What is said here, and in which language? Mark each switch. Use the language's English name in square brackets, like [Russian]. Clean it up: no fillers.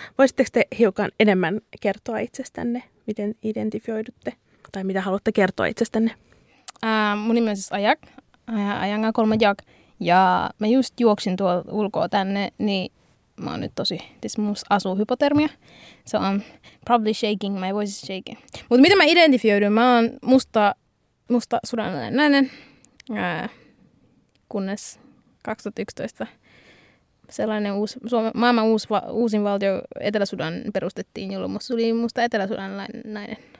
[Finnish] Voisitteko te hiukan enemmän kertoa itsestänne, miten identifioidutte? Tai mitä haluatte kertoa itsestänne? Mun nimi on siis Ayak. Ayanga Kolmajak. Ja mä just juoksin tuolta ulkoa tänne, niin mä oon nyt tosi, siis mun asuu hypotermia. [English] So I'm probably shaking, my voice is shaking. [Finnish] Mutta miten mä identifioidun? Mä oon musta sudanilainen, kunnes 2011 sellainen uusin valtio Etelä-Sudan perustettiin, jolloin musta tuli musta eteläsudanilainen.